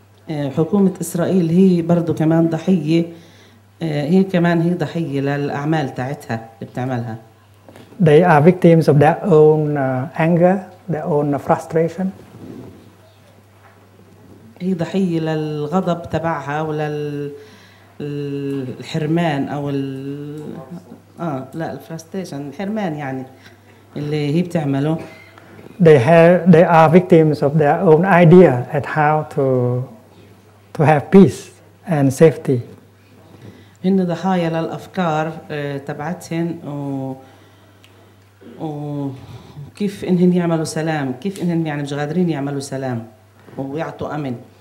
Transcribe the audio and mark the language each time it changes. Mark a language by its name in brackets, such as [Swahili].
[Arabic] حكومة إسرائيل هي برضو كمان ضحية. هي كمان هي ضحية للأعمال تاعتها اللي بتعملها. [English] They are victims of their own anger, their own frustration. [Arabic] هي ضحية للغضب تبعها وللحرمان أو ال لا الفراستيشن الحرمان يعني اللي هي بتعمله. [English] They are victims of their own idea at how to have peace and safety. [Arabic] هن ضحايا للأفكار تبعتهن و كيف إنهن يعملوا سلام كيف إنهن يعني مش قادرين يعملوا سلام ويعطوا أمن.